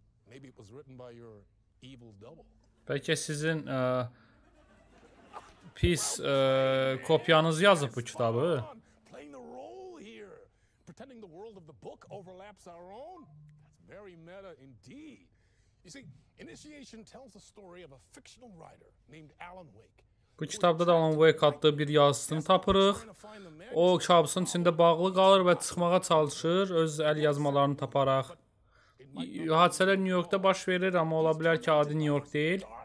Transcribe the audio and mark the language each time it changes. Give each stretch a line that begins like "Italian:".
English: Maybe it was written by your evil double.
Azerbaijani: Bəlkə sizin pis kopyanız yazıb bu kitabı.
English: Playing the role here, pretending the world of the book overlaps our own. That's very meta indeed. You see, Initiation tells the story of a fictional writer named Alan Wake.
Azerbaijani: Bu kitabda da Alan Wake adlı bir yazısını tapırıq. O kitabın içində bağlı qalır və çıxmağa çalışır öz əl yazmalarını taparaq. Hadisələr New York'da baş verir, amma ola bilər ki, adı New York deyil.